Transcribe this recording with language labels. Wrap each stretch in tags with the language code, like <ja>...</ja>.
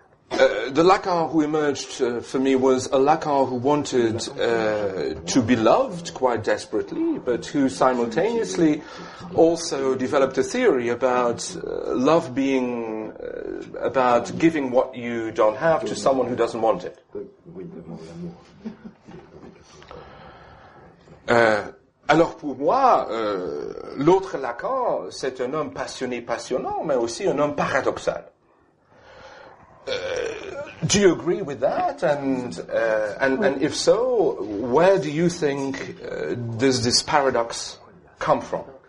<en>The Lacan who emerged for me was a Lacan who wanted to be loved quite desperately, but who simultaneously also developed a theory about love being about giving what you don't have to someone who doesn't want it.</en> <fr>Alors pour moi, l'autre Lacan, c'est un homme passionné, passionnant, mais aussi un homme paradoxal.</fr> <en>Do you agree with that? And if so, where do you think does this paradox come from?</en>